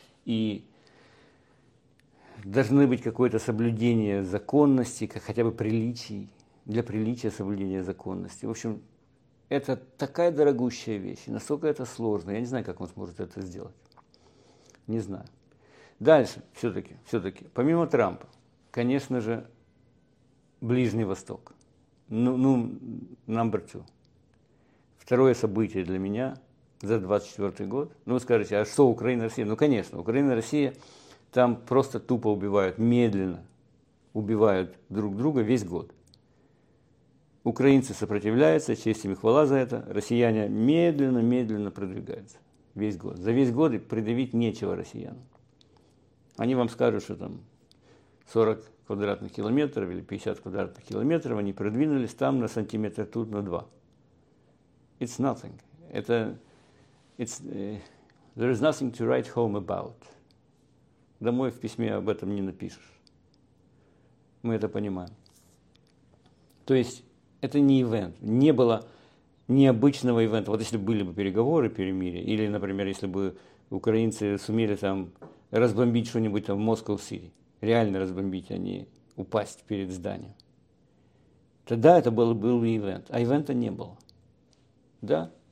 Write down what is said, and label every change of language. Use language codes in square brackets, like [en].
[ru] И должны быть какое-то соблюдение законности, хотя бы приличий, для приличия соблюдения законности. В общем, это такая дорогущая вещь, и настолько это сложно. Я не знаю, как он сможет это сделать. Не знаю. Дальше, все-таки, помимо Трампа, конечно же, Ближний Восток. [en] Ну, number two. [ru] Второе событие для меня за 24 год. Ну, вы скажете, а что Украина, Россия? Ну, конечно, Украина, Россия, там просто тупо убивают, медленно убивают друг друга весь год. Украинцы сопротивляются, честь им и хвала за это. Россияне медленно продвигаются весь год. За весь год предъявить нечего россиянам. Они вам скажут, что там 40 квадратных километров или 50 квадратных километров, они продвинулись там на сантиметр, тут на два. [en] It's nothing. There is nothing to write home about. [ru] Домой в письме об этом не напишешь. Мы это понимаем. То есть это не ивент. Не было необычного ивента. Вот если бы были бы переговоры, перемирие, или, например, если бы украинцы сумели там разбомбить что-нибудь там в Москва-Сити, реально разбомбить, а не упасть перед зданием, тогда это был бы ивент. А ивента не было. Да?